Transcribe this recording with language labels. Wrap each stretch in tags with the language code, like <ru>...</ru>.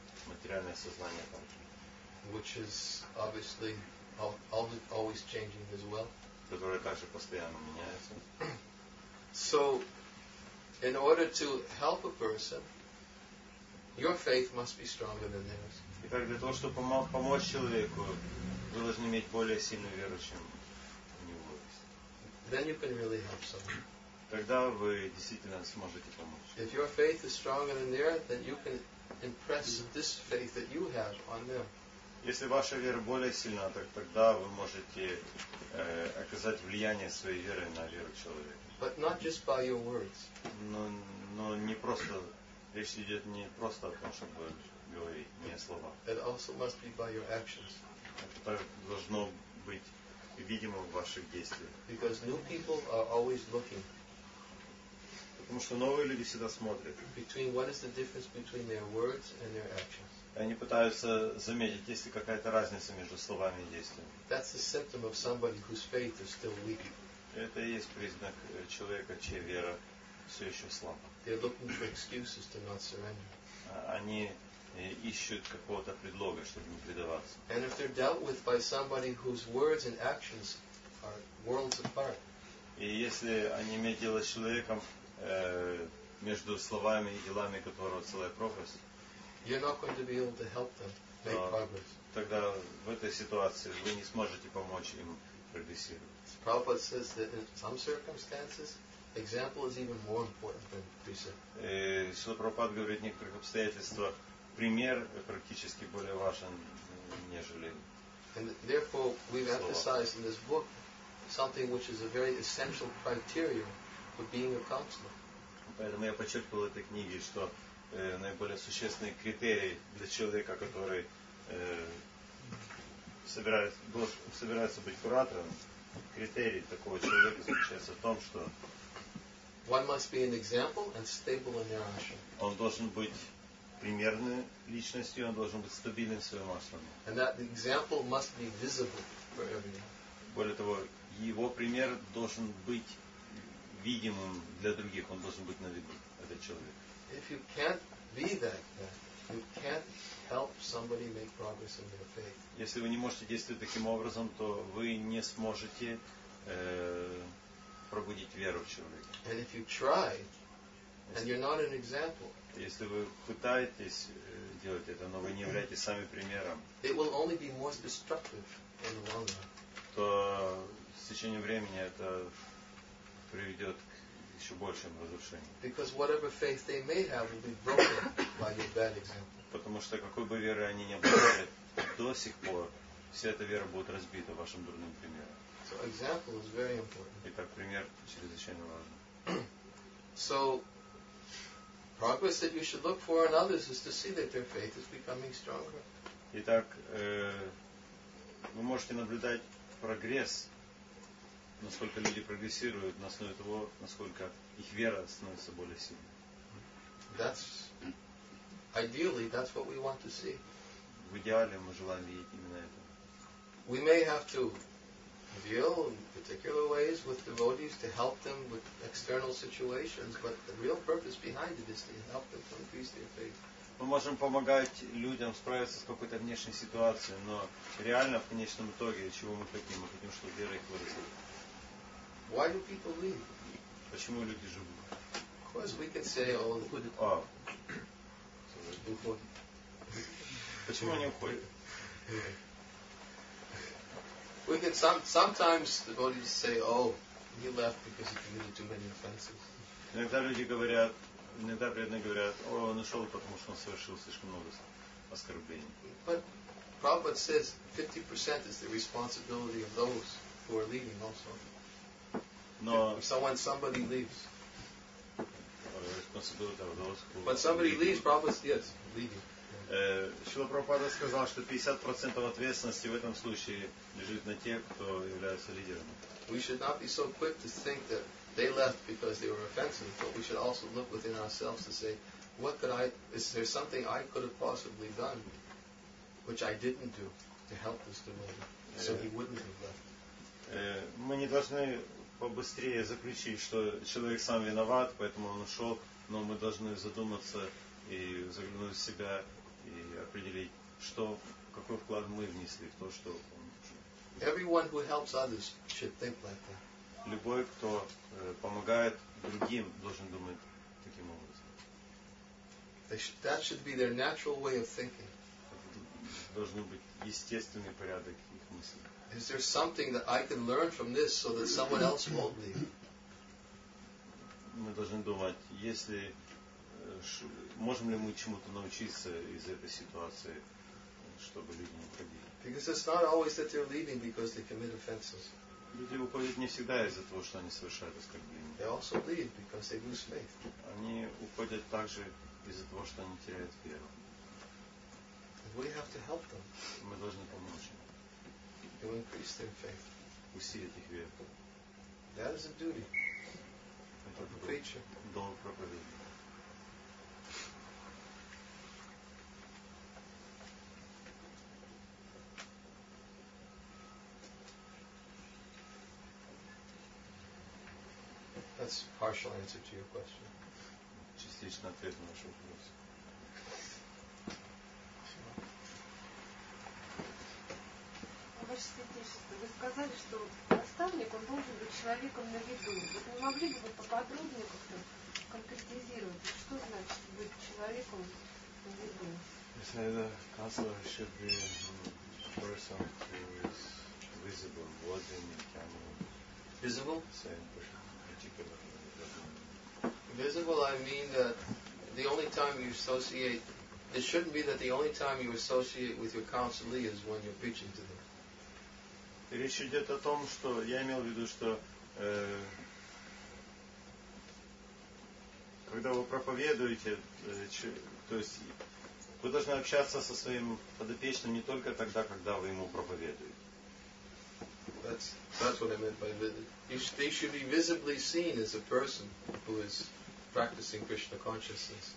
<ru>Материальное сознание,</ru> <en>which is obviously always changing as well.</en> <ru>Которое также постоянно меняется.</ru> <en>So, in order to help a person, your faith must be stronger than theirs.</en> <ru>Итак, для того, чтобы помочь человеку, вы должны иметь более сильную веру, чем у него есть.</ru> <en>Then you can really help someone.</en> <ru>Тогда вы действительно сможете помочь.</ru> <en>If your faith is stronger than theirs, then you can impress this faith that you have on them.</en> <ru>Если ваша вера более сильна, тогда вы можете оказать влияние своей веры на веру человека.</ru> <en>But not just by your words.</en> <ru>Но не просто, речь идет не просто о том, чтобы говорить, не слова.</ru> <en>It also must be by your actions.</en> <ru>Это должно быть видимо в ваших действиях.</ru> <en>Because new people are always looking.</en> <ru>Потому что новые люди всегда смотрят.</ru> <en>Between what is the difference between their words and their actions?</en> <ru>Они пытаются заметить, есть ли какая-то разница между словами и действиями.</ru> <en>That's a symptom of somebody whose faith is still weak.</en> <ru>Это и есть признак человека, чья вера все еще слаба.</ru> <en>They're looking for excuses to not surrender.</en> <ru>Они ищут какого-то предлога, чтобы не предаваться.</ru> <en>And if they're dealt with by somebody whose words and actions are worlds apart.</en> <ru>И если они имеют дело с человеком между словами и делами которого целая пропасть,</ru> <en>you're not going to be able to help them make progress.</en> <ru>Тогда в этой ситуации вы не сможете помочь им прогрессировать.</ru> <en>Prabhupada says that in some circumstances, example is even more important than precept.</en> <ru>Сила Прабхупада говорит, в некоторых обстоятельствах пример практически более важен, нежели.</ru> <en>And therefore, we've emphasized in this book something which is a very essential criteria for being a counselor.</en> <ru>Поэтому я подчеркивал в этой книге, что наиболее существенный критерий для человека, который собирается быть куратором, критерий такого человека заключается в том, что</ru> <en>one must be an example and stable in their ashram.</en> <ru>Он должен быть примерной личностью, он должен быть стабильным в своем ашраме.</ru> <en>And that example must be visible for everyone.</en> <ru>Более того, его пример должен быть видимым для других, он должен быть на виду, этот человек.</ru> <en>If you can't be that, you can't help somebody make progress in their faith.</en> <ru>Если вы не можете действовать таким образом, то вы не сможете пробудить веру в человека.</ru> <en>And if you try, and you're not an example.</en> <ru>Если вы пытаетесь делать это, но вы не являетесь сами примером,</ru> <en>it will only be more destructive in the long run.</en> <ru>То с течением времени это приведет к еще большим разрушениям.</ru> <en>Because whatever faith they may have will be broken by your bad example.</en> <ru>Потому что какой бы верой они ни обладали, до сих пор вся эта вера будет разбита вашим дурным примером.</ru> <en>So example is very important.</en> <ru>Итак, пример чрезвычайно важен.</ru> <en>So progress that you should look for in others is to see that their faith is becoming stronger.</en> <ru>Итак, вы можете наблюдать прогресс. Насколько люди прогрессируют на основе того, насколько их вера становится более сильной.</ru> <en>That's ideally, that's what we want to see.</en> <ru>В идеале мы желаем видеть именно это.</ru> <en>We may have to deal in particular ways with devotees to help them with external situations, but the real purpose behind it is to help them to increase their faith.</en> <ru>Мы можем помогать людям справиться с какой-то внешней ситуацией, но реально в конечном итоге, чего мы хотим? Мы хотим, чтобы вера их выросла.</ru> <en>Why do people leave?</en> <ru>Почему люди живут?</ru> <en>Because we can say, oh, look at the...</en> <ru>Почему они уходят?</ru> <en>We can sometimes the devotees say, oh, he left because he committed too many offenses.</en> <ru>Иногда преданные говорят, о, он ушел, потому что он совершил слишком много оскорблений.</ru> <en>But Prabhupada says 50% is the responsibility of those who are leaving also. No. So when somebody leaves. Responsibility of those who when somebody leaves, Prabhupada, yes, leaving.</en> <ru>Шрила Прабхупада сказал, что 50% ответственности в этом случае лежит на тех, кто является лидерами.</ru> <en>We should not be so quick to think that they left because they were offensive, but we should also look within ourselves to say, what could I, is there something I could have possibly done, which I didn't do, to help this devotee, so he wouldn't have left.</en> <ru>Мы не должны побыстрее заключить, что человек сам виноват, поэтому он ушел, но мы должны задуматься и заглянуть в себя и определить, что, какой вклад мы внесли в то, что он ушел.</ru> <en>Everyone who helps others should think like that.</en> <ru>Любой, кто помогает другим, должен думать таким образом.</ru> <en>That should be their natural way of thinking.</en> <ru>Должен быть естественный порядок их мыслей.</ru> <en>Is there something that I can learn from this so that someone else won't leave?</en> <ru>Мы должны думать, если можем ли мы чему-то научиться из этой ситуации, чтобы люди не уходили.</ru> <en>Because it's not always that they're leaving because they commit offenses.</en> <ru>Люди уходят не всегда из-за того, что они совершают оскорбления.</ru> <en>They also leave because they lose faith.</en> <ru>Они уходят также из-за того, что они теряют веру.</ru> <en>We have to help them.</en> <ru>Мы должны помочь им.</ru> <en>To increase their faith.</en> <ru>Усилить их веру.</ru> <en>That is a duty.</en> <ru>до проповеди.</ru> <en>That's a partial answer to your question.</en> <ru>Частично ответ на ваш вопрос. Вы сказали, что наставник, он должен быть человеком на виду. Вот не могли бы вы поподробнее как-то конкретизировать, что значит быть человеком на виду?</ru> <en>You say the counselor should be a person who is visible. What do you mean? Can you... Visible? Say in particular. Visible, I mean that the only time you associate... It shouldn't be that the only time you associate with your counselee is when you're preaching to them.</en> <ru>Речь идет о том, что я имел в виду, что когда вы проповедуете, то есть вы должны общаться со своим подопечным не только тогда, когда вы ему проповедуете.</ru> <en>That's what I meant by visible. They should be visibly seen as a person who is practicing Krishna consciousness.</en>